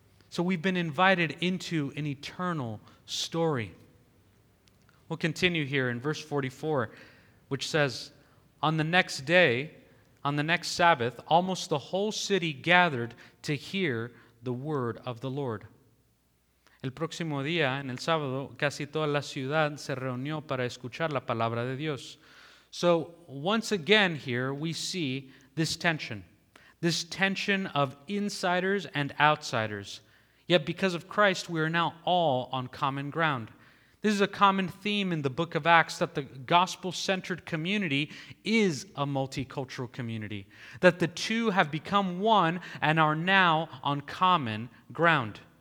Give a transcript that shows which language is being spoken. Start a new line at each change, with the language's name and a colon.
English: So we've been invited into an eternal story. We'll continue here in verse 44, which says, "On the next day, on the next Sabbath, almost the whole city gathered to hear the word of the Lord."
Spanish: El próximo día, en el sábado, casi toda la ciudad se reunió para escuchar la palabra de Dios.
English: So, once again here, we see this tension of insiders and outsiders. Yet, because of Christ, we are now all on common ground. This is a common theme in the book of Acts, that the gospel-centered community is a multicultural community, that the two have become one and are now on common ground.